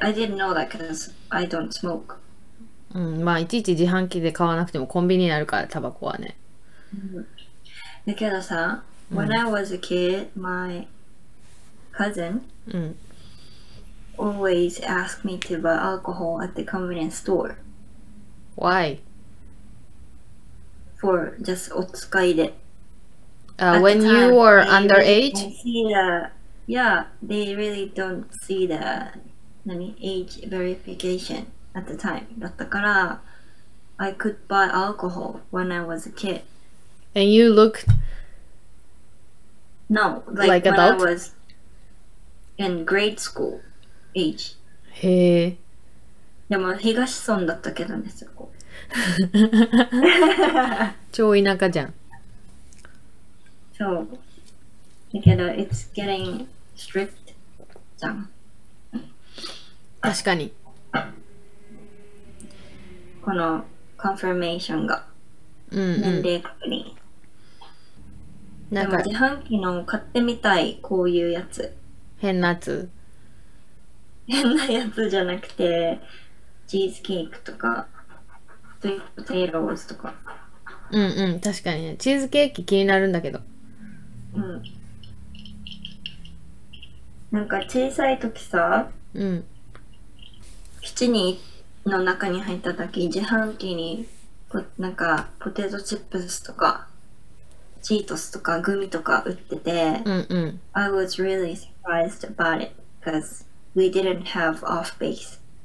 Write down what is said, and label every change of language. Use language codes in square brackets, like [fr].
[en] I didn't know that because I don't smoke. [ja] うん、まあいちいち自販機で買わなくてもコンビニになるからタバコはね。だけどさ、 [en] when I was a kid, my cousin always asked me to buy alcohol at the convenience store. Why? For just [ja] お使いで。 [en] When you were underage? Yeah, they really don't see the... Age verification at the time. [ja] だったから [en] I could buy alcohol when I was a kid. And you look no like when adult? I was in grade school age. [ja] へえ。でも東村だったけどね、そこ。超田舎じゃん。そう。だけど [en] it's getting strict [ja] じゃん。確かに。このコンフィメーションが年齢確認、うんうん、なんかでも自販機の買ってみたい、こういうやつ。変なやつ。変なやつじゃなくてチーズケーキとかスイートテイローズとか。うんうん、確かにね、チーズケーキ気になるんだけど。うん、なんか小さい時さ、うん、基地にの中に入っただけ自販機になんかポテトチップスとかチートスとかグミとか売ってて、うんうん、 [en] I was really surprised about it because we didn't have off base、